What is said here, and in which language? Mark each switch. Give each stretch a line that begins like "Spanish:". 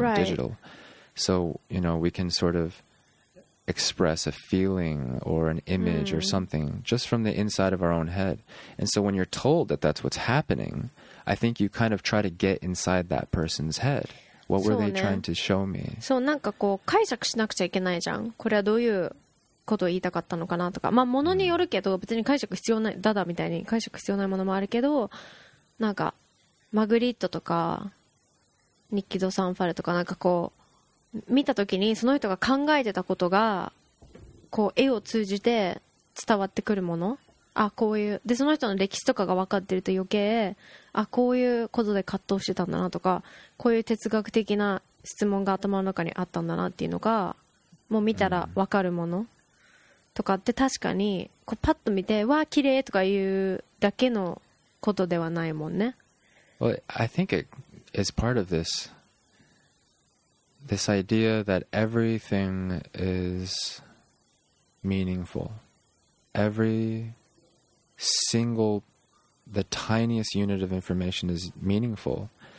English: right. digital. So, you know, we can sort of express a feeling or an image mm. or something just from the inside of our own head. And so when you're told that that's what's happening, I think you kind of try to get inside that person's head. What were they trying to show me?
Japanese: そう、なんかこう、解釈しなくちゃいけないじゃん。これはどういうことを言いたかったのかなとか。まあ、ものによるけど、別に解釈必要ない、ダダみたいに解釈必要ないものもあるけど、なんか、マグリットとか、ニッキド・サンファルとか、なんかこう、見たときにその人が考えてたことが、こう、絵を通じて伝わってくるもの。あ、こういう。で、その人の歴史とかが分かってると余計、あ、こういうことで葛藤してたんだなとか、こういう哲学的な質問が頭の中にあったんだなっていうのが、もう見たら分かるものとかって確かに、こうパッと見て、わー、綺麗とか言うだけのことではないもんね。
English: Well, I think it is part of this idea that everything is meaningful. Every single, the tiniest unit of information is meaningful.